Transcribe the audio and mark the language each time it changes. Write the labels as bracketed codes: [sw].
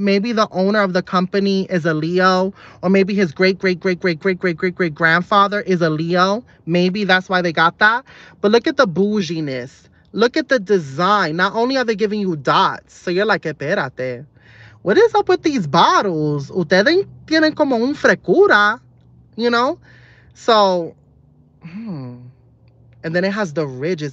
[en] Maybe the owner of the company is a Leo. Or maybe his great-great-great-great-great-great-great-great-grandfather is a Leo. Maybe that's why they got that. But look at the bouginess. Look at the design. Not only are they giving you dots, so you're like, [es] espérate. [en] What is up with these bottles? [es] Ustedes tienen como un frescura, [en] you know? So, And then it has the ridges.